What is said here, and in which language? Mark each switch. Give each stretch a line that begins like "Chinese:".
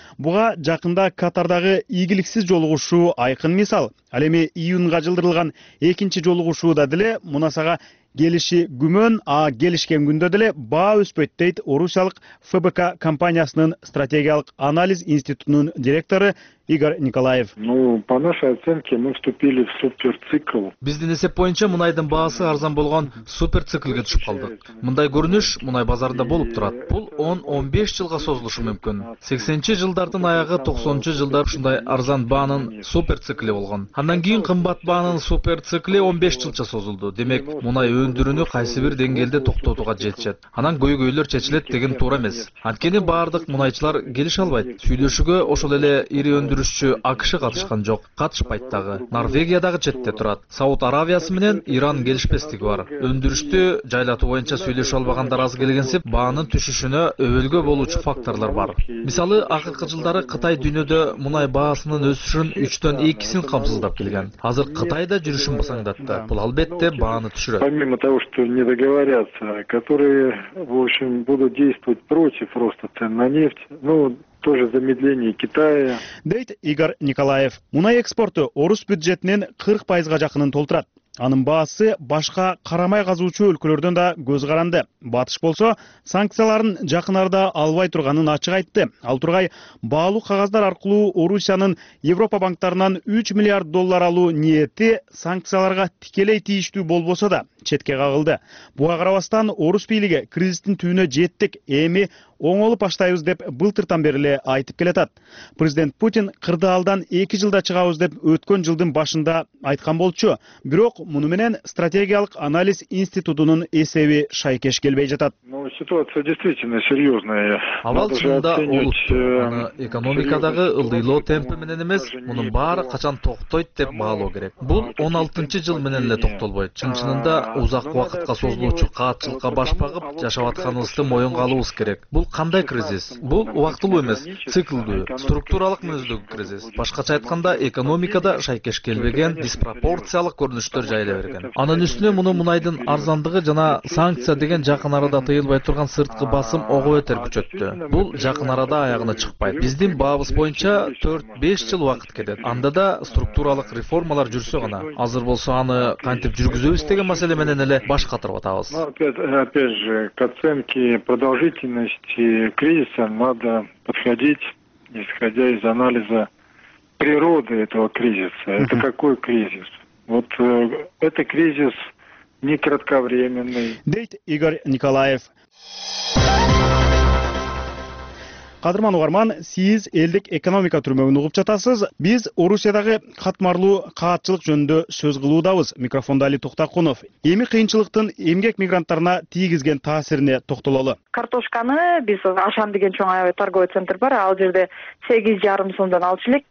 Kyrgyz: Буга жакында Катардагы ийгиликсиз жолугушуу айкын мисал. Ал эми июнга жылдырылган экинчи жолугушууда деле мунасага келиши күмөн, а келишкен күндө деле баа өспөйт, дейт орусиялык ФБК компаниясынын стратегиялык анализ институтунун директору Игорь Николаев.
Russian: Ну, по нашей оценке мы вступили в суперцикл.
Kyrgyz: Биздин эсеп боюнча мунайдын баасы арзан болгон суперциклге түшүп калдык. Мындай көрүнүш мунай базарында болуп турат. Бул 10-15 жылга созулушу мүмкүн. 80-чи жылдардын аягы 90-чу жылдар ушундай арзан баанын суперцикли болгон. Андан кийин кымбат баанын суперцикли 15 жылча созулду. Демек, мунай өндүрүүнү кайсы бир деңгээлде токтотууга жетишет. Анан көйгөйлөр чечилет деген туура эмес. Анткени баардык мунайчылар келише албайт. Сүйлөшүүгө ошол эле ири өндүрүшчү АКШ катышкан жок, катышпайт дагы. Норвегия дагы четте турат. Сауд Аравиясы менен Иран келишпестиги бар. Өндүрүштү жайлатуу боюнча сүйлөшө албагандар аз келгенсип, баанын түшүшүнө өбөлгө болуучу факторлор бар. Мисалы, акыркы жылдары Кытай дүйнөдө мунай баасынын өсүшүн 3-2% камсыздап келген. Азыр Кытай да жүрүшүн басаңдатты. Бул албетте бааны түшүрөт.
Russian: Помимо того, что не договорятся, которые, в общем, будут действовать против роста цен на нефть, ну, тоже замедление Китая.
Kyrgyz: Дейт Игорь Николаев. Мунай экспорту орус бюджетинин 40% жакынын толтурат. Анын баасы башка карамай казуучу өлкөлөрдөн да көз каранды. Батыш болсо, санкцияларын жакын арада албай турганын ачык айтты. Ал тургай баалуу кагаздар аркылуу Орусиянын Европа банктарынан 3 миллиард доллар алуу ниети санкцияларга тикелей тийиштүү болбосо да четке кагылды. Буга карабастан орус бийлиги кризистин түбүнө жеттик, эми оңолуп баштайбыз деп былтыртан бери эле айтып келатат. Президент Путин кырдаалдан 2 жылда чыгабыз деп өткөн жылдын башында айткан болчу. Бирок муну менен стратегиялык анализ институтунун эсеби шайкеш келбей жатат.
Russian: Ситуация действительно серьезная.
Kyrgyz: Абал чынында улуттуу. Аны экономикадагы ылдыйлоо темпи менен эмес, мунун баары качан токтойт деп баалоо керек. Бул 16 жыл менен эле токтолбойт. Чын чынында узак убакытка созулуучу каатчылыкка баш багып жашап атканыбызды моюнга алуубуз керек. Бул кандай кризис? Бул убактылуу эмес, циклдүү, структуралык мүнөздөгү кризис. Башкача айтканда, экономикада шайкеш келбеген диспропорциялык көрүнүштөр жайыла берген. Анын үстүнө муну мунайдын арзандыгы жана санкция деген жакын арада тыйылбай турган сырткы басым ого бетер күчөттү. Бул жакын арада аягына чыкпайт. Биздин баабыз боюнча 4-5 жыл убакыт кетет. Анда да структуралык реформалар жүрсө гана, азыр болсо аны кантип жүргүзөбүз деген маселе менен эле баш катырып атабыз.
Russian: Опять же, к оценке продолжительности кризиса надо подходить, исходя из анализа природы этого кризиса. Это какой кризис? Вот это кризис не кратковременный.
Kyrgyz: Дейт Игорь Николаев. Кадырман угарман, сиз элдик экономика түрмөгүн угуп жатасыз. Биз Орусиядагы катмарлуу каатчылык жөнүндө сөз кылуудабыз. Микрофондо Али Токтокунов. Эми кыйынчылыктын эмгек мигранттарына тийгизген таасирине токтололу. Картошканы биз Ашан деген чоң аябай торговый центр бар, ал жерде 8.5 сомдон алчу элек.